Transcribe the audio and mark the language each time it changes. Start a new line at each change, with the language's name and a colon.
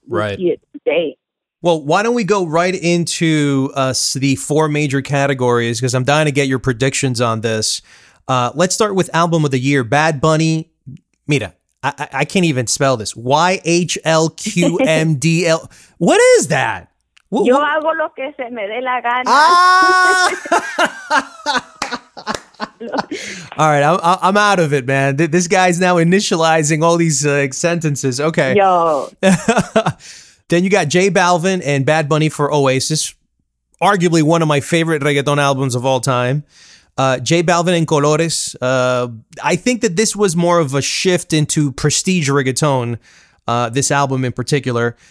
English: right. we see it today. Well, why don't we go right into the four major categories, because I'm dying to get your predictions on this. Let's start with Album of the Year. Bad Bunny, Mira, I can't even spell this. YHLQMDL. What is that?
Spanish: Yo hago lo que se me dé la gana.
English: All right, I'm out of it, man. This guy's now initializing all these sentences. Okay. Yo. Then you got J Balvin and Bad Bunny for Oasis, arguably one of my favorite reggaeton albums of all time. J Balvin and Colores. I think that this was more of a shift into prestige reggaeton, this album in particular.